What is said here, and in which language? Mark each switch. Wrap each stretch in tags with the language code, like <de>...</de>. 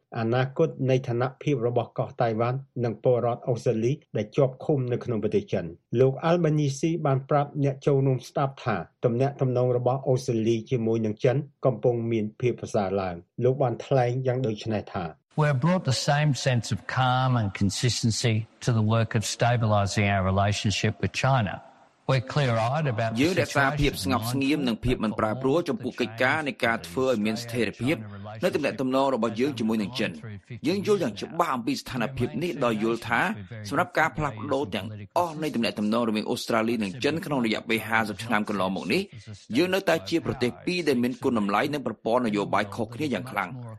<km>អនាគតនៃឋានៈភាពរបស់កោះតៃវ៉ាន់និងពលរដ្ឋអូស្ត្រាលីដែលជាប់ឃុំនៅក្នុងប្រទេសចិនលោកអាល់បានីស៊ីបានប្រាប់អ្នកចូលរួមស្តាប់ថាទំនាក់ទំនងរបស់អូស្ត្រាលីជាមួយនឹងចិនកំពុងមានភាពប្រសើរឡើងលោកបានថ្លែងយ៉ាងដូចនេះថា</km> <en>We've brought the same sense of calm and consistency to the work of stabilizing our relationship with China.</en> <km>យើងដែលស្វាភាពស្ងប់ស្ងៀមនិងភាពមិនប្រែប្រួលចំពោះកិច្ចការនៃការធ្វើឲ្យមានស្ថិរភាពនៅទំនាក់ទំនងរបស់យើងជាមួយនឹងចិនយើងយល់យ៉ាងច្បាស់អំពីស្ថានភាពនេះដោយយល់ថាសម្រាប់ការផ្លាស់ប្ដូរទាំងអស់នៃទំនាក់ទំនងរវាងអូស្ត្រាលីនិងចិនក្នុងរយៈពេល50ឆ្នាំកន្លងមកនេះយើងនៅតែជាប្រទេសពីរដែលមានគុណតម្លៃនិងប្រព័ន្ធនយោបាយខុសគ្នាយ៉ាងខ្លាំង</km>